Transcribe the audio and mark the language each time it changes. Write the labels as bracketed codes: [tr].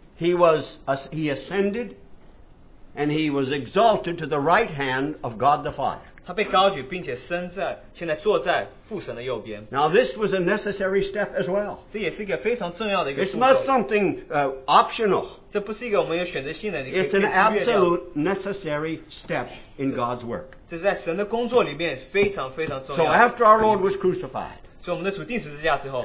[en] He ascended, and he was exalted to the right hand of God the Father. [zh] 他被高举，并且升在现在坐在。父神的右边。 [en] Now this was a necessary step as well. [zh] 这也是一个非常重要的一个步骤。 [en] It's not something optional. [zh] 这不是一个我们有选择性的。 [en] It's an absolute necessary step in God's work. [zh] 这在神的工作里面非常非常重要。 [en] So after our Lord was crucified, [zh] 所以我们的主钉十字架之后